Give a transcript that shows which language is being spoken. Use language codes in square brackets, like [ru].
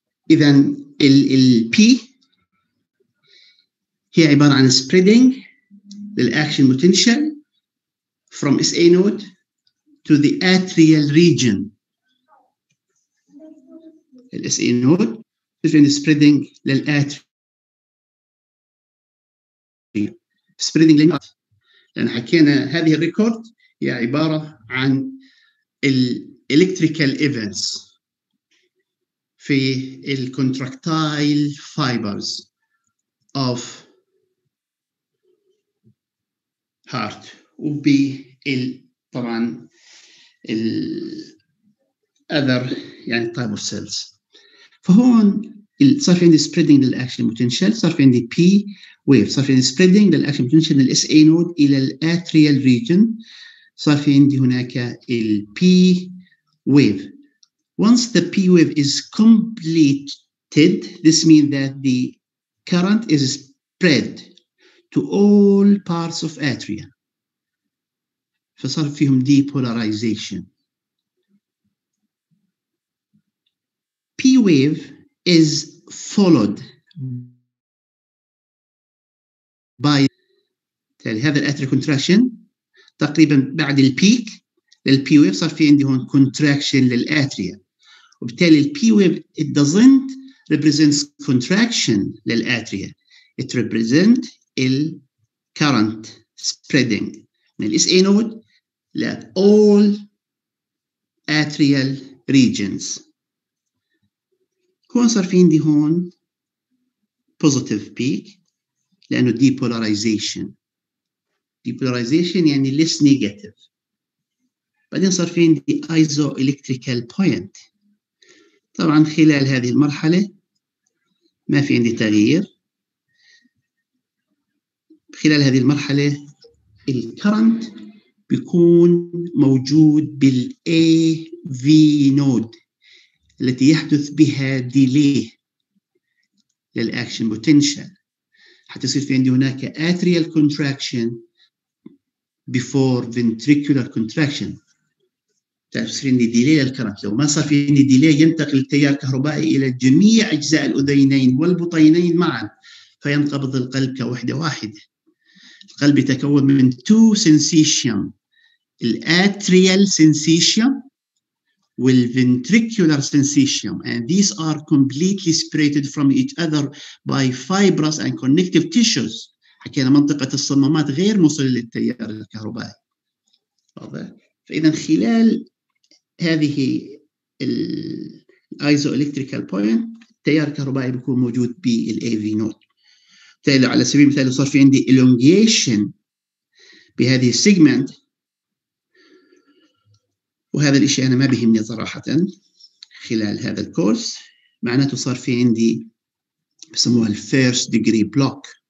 [ar] إذن ال [en] P هي عبارة عن spreading للأكشن potential from SA node to the atrial region. ال SA node is spreading لل atrial spreading لل heart. [ar] لأن حكينا هذه الريكورد هي عبارة عن ال electrical events في ال [en] contractile fibers of heart [ar] وبي ال طبعا ال other يعني [en] type of cells. [ar] فهون ال صار في عندي spreading لل action potential صار في عندي P wave صار في عندي spreading لل action potential لل SA node إلى ال atrial region صار في عندي هناك ال P wave. [en] Once the P wave is completed, this means that the current is spread to all parts of atria. [ar] فصار فيهم depolarization. [en] P wave is followed by [ar] هذا الاتريا [en] contraction [ar] تقريبا بعد البيك. [en] للP wave [ar] صار في عندي هون [en] contraction للأتريا [ar] وبالتالي الP [en] wave it doesn't represents contraction للأتريا it represent ال current spreading من SA node لall atrial regions. [ar] هون صار في عندي هون positive peak لأنه depolarization. [en] Depolarization يعني less negative. [ar] بعدين صار في عندي isoelectrical point. طبعا خلال هذه المرحلة ما في عندي تغيير. خلال هذه المرحلة الكرنت بيكون موجود بالـ AV node التي يحدث بها delay للأكشن potential. حتصير في عندي هناك [en] atrial contraction before ventricular contraction. [ar] تصير عندي ديلي للكرنت، لو ما صار في عندي ديلي ينتقل التيار الكهربائي الى جميع اجزاء الاذينين والبطينين معا فينقبض القلب كوحده واحده. القلب يتكون من تو سنسيشن، الاتريال سنسيشن [en] والventricular sensation, and these are completely separated from each other by fibrous and connective tissues. [ar] حكينا منطقة الصمامات غير موصلة للتيار الكهربائي. فإذا خلال هذه الايزوإلكتريكال بوينت التيار الكهربائي بيكون موجود بالAV node. على سبيل المثال صار في عندي elongation بهذه السيجمنت، وهذا الإشي أنا ما بهمني صراحة خلال هذا الكورس، معناته صار في عندي بسموها الفيرست ديجري بلوك.